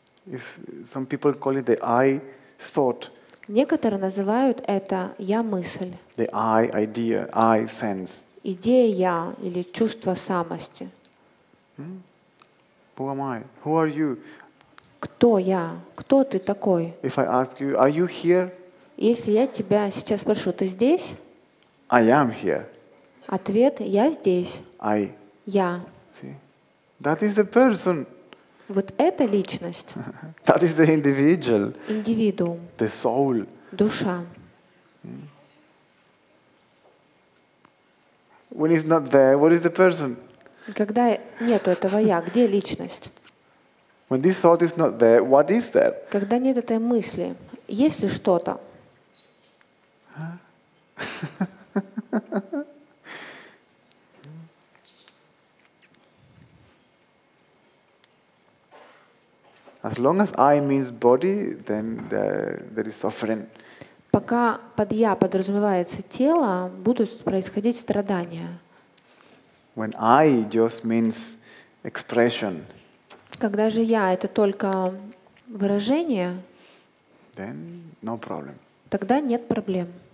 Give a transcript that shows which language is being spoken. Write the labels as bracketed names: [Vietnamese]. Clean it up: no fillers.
[English] If some people call it the I thought. [Russian] Некоторые называют это я-мысль. [English] The I idea, I sense. [Russian] Идея я или чувство самости. [English] Who am I? Who are you? [Russian] Кто я? Кто ты такой? [English] If I ask you, are you here? [Russian] Если я тебя сейчас спрошу, ты здесь? [English] I am here. [Russian] Ответ: я здесь. [English] I. [Russian] Я. [English] See? That is the person. [Russian] Вот это личность. [English] That is the individual. [Russian] Индивидуум. [English] The soul. [Russian] Душа. [English] When it's not there, what is the person? [Russian] Когда нету этого я, где личность? [English] When this thought is not there, what is there? [Russian] Когда нет этой мысли, есть ли что-то? [English] As long as I means body, then there is suffering. [Russian] Пока под я подразумевается тело, будут происходить страдания. [English] When I just means expression. [Russian] Когда же я — это только выражение, [English] then no problem. [Russian] Тогда нет проблем.